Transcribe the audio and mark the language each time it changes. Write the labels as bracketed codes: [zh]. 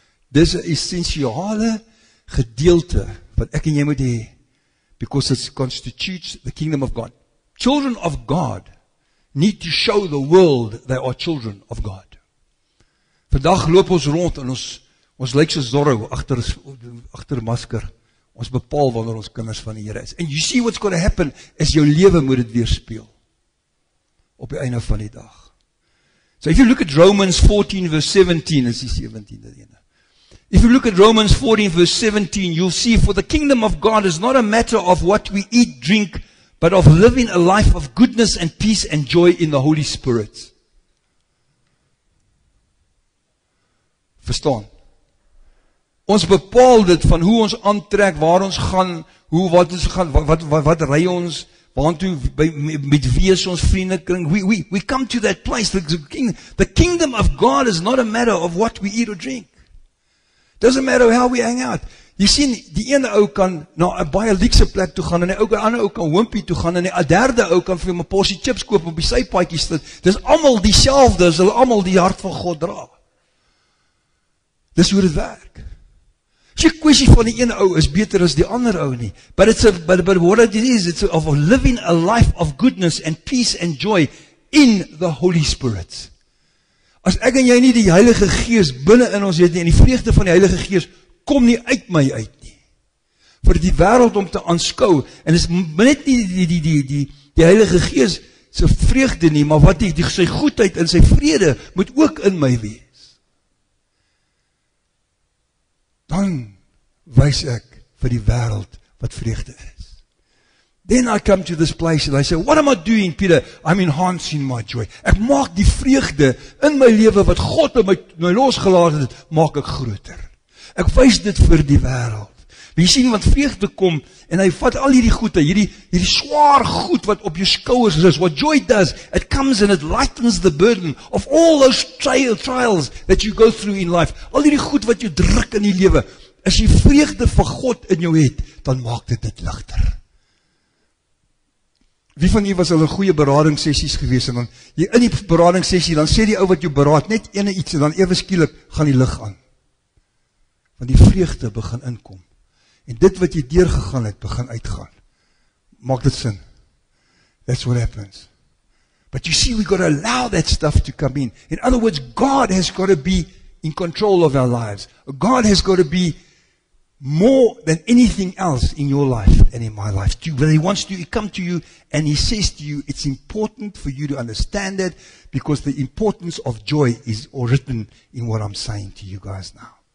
[af] Dis 'n essensiale gedeelte wat ek en jy moet hê. [en] Because it constitutes the kingdom of God. Children of God need to show the world they are children of God. [af] Vandag loop ons rond en ons lyk soos Zorro agter masker. Ons bepaal wanneer ons kinders van die Here is. [en] And you see what's going to happen is [af] jou lewe moet dit weerspeel op die einde van die dag. [en] So if you look at Romans 14 verse 17, [af] is die 17 dat ene. [en] If you look at Romans 14 verse 17, you'll see, for the kingdom of God is not a matter of what we eat, drink, but of living a life of goodness and peace and joy in the Holy Spirit. [af] Verstaan? Ons bepaal dit van hoe ons aantrek, waar ons gaan, hoe wat ons gaan, wat ry ons, waartoe, met wie is ons vriende kring. [en] We come to that place. The kingdom of God is not a matter of what we eat or drink. Doesn't matter how we hang out. [af] Jy sien, die ene ou kan na 'n baie luxe plek toe gaan, en die ander ou kan hoompie toe gaan, en die derde ou kan vir hom 'n porsie chips koop op die sypaadjie sit. Dis almal dieselfde, as hulle almal die hart van God dra. Dis hoe dit werk. Die kwessie van die ene ou is beter as die ander ou nie. [en] But it's a, but what it is, it's of living a life of goodness and peace and joy in the Holy Spirit. [af] As ek en jy nie die Heilige Gees binne in ons het nie, en die vreugde van die Heilige Gees kom nie uit my uit nie. Vir die wêreld om te aanskou, en is net nie die Heilige Gees se vreugde nie, maar wat die sy goedheid en sy vrede moet ook in my wees. Dan wys ek vir die wêreld wat vreugde is. [en] Then I come to this place and I say, what am I doing, Peter? I'm enhancing my joy. [af] Ek maak die vreugde in my lewe wat God in my losgelaat het, maak ek groter. Ek wys dit vir die wêreld. Jy sien, want vreugde kom en hy vat al hierdie goede, hierdie swaar goed wat op jou skouers is. [en] What joy does, it comes and it lightens the burden of all those trials that you go through in life. [af] Al hierdie goed wat jou druk in die lewe, as jy vreugde van God in jou het, dan maak dit dit ligter. Wie van jy was al in goeie beradingssessies gewees, en dan jy in die beradingssessie, dan sê die ou wat jou beraad net ene iets, en dan ewe skielik gaan die lig aan. Want die vreugde begin inkom. En dit wat jy deurgegaan het, begin uitgaan. Maak dit sin? [en] That's what happens. But you see, we got to allow that stuff to come in. In other words, God has got to be in control of our lives. God has got to be more than anything else in your life and in my life too. When he wants to come to you and he says to you, it's important for you to understand that, because the importance of joy is all written in what I'm saying to you guys now.